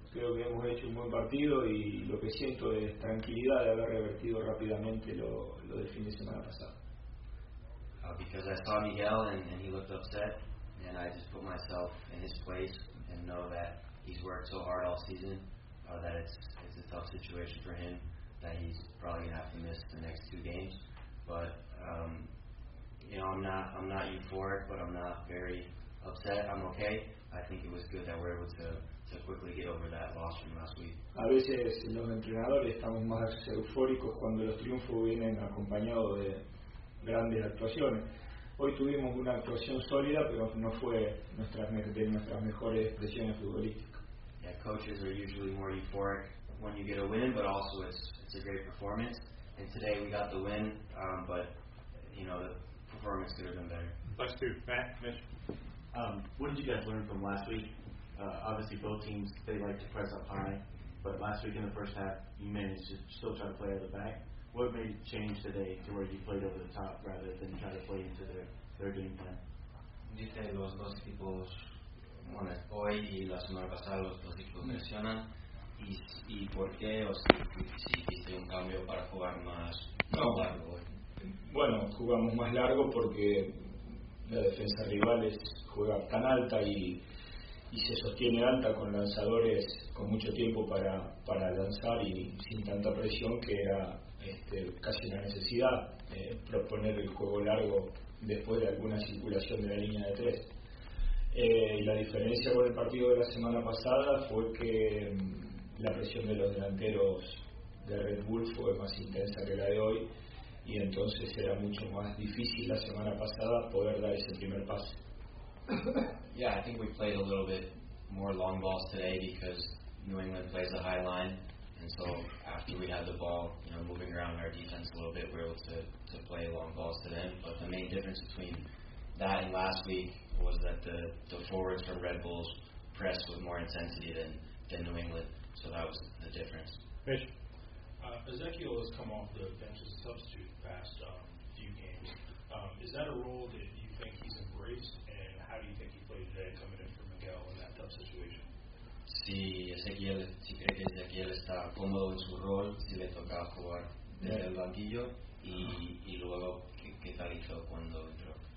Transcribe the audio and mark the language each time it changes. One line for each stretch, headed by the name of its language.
Spanish: Creo que hemos hecho un buen partido y lo que siento es tranquilidad de haber revertido rápidamente lo del fin de semana pasado.
English: Because I saw Miguel and he looked upset, and I just put myself in his place and know that he's worked so hard all season that it's a tough situation for him, that he's probably going to have to miss the next two games. But, I'm not euphoric, but I'm not very upset. I'm okay. I think it was good that we're able to quickly get over that loss from last week.
Spanish: A veces los entrenadores estamos más eufóricos cuando los triunfos vienen acompañados de grandes actuaciones. Hoy tuvimos una actuación sólida, pero no fue de nuestras mejores expresiones futbolísticas.
English: Yeah, coaches are usually more euphoric when you get a win, but also it's a great performance. And today we got the win, but you know, the performance could have been better. Plus two, Matt, Mitch. What did you guys learn from last week? Obviously, both teams, they like to press up high, but last week in the first half, you managed to still try to play out of the back. What made it change today to where you played over the top rather than try to play into their game plan?
Spanish: Dice los dos equipos, bueno, hoy y la semana pasada los dos equipos mencionan y por qué o si hice un cambio para jugar más largo. Bueno, jugamos más largo porque la defensa rival juega tan alta y se sostiene alta con lanzadores con mucho tiempo para lanzar y sin tanta presión, que era casi una necesidad proponer el juego largo después de alguna circulación de la línea de tres. La diferencia con el partido de la semana pasada fue que la presión de los delanteros de Red Bull fue más intensa que la de hoy, y entonces era mucho más difícil la semana pasada poder dar ese primer pase.
English: Yeah, I think we played a little bit more long balls today because New England plays a high line. And so after we had the ball, you know, moving around our defense a little bit, we were able to play long balls to them. But the main difference between that and last week was that the forwards from Red Bulls pressed with more intensity than New England. So that was the difference. Mitch? Ezekiel has come off the bench as a substitute the past few games. Is that a role that you think he's embraced? And how do you think he played today coming in for Miguel in that tough situation?
Spanish: Si Ezequiel, si cree que Ezequiel está cómodo en su rol, si le toca jugar desde el banquillo y luego qué tal hizo cuando entró.